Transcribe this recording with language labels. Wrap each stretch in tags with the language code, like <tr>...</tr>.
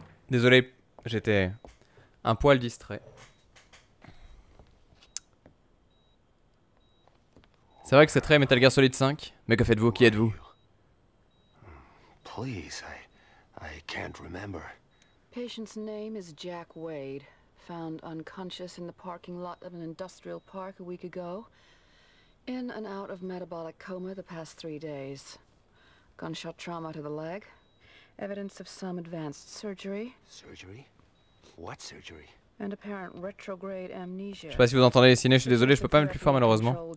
<fr>Désolé, j'étais un poil distrait. C'est vrai que c'est très Metal Gear Solid 5, mais que faites-vous? Qui êtes-vous?</fr> <en>Please, I can't remember. Patient's name is Jack Wade, found unconscious in the parking lot of an industrial park a week ago, in and out of metabolic coma the past three days. Gunshot trauma to the leg. Evidence of some advanced surgery. Surgery? What surgery? And apparent retrograde amnesia.</en> <fr>Je sais pas si vous entendez les ciné, je suis désolé, je peux pas mettre plus fort malheureusement.</fr>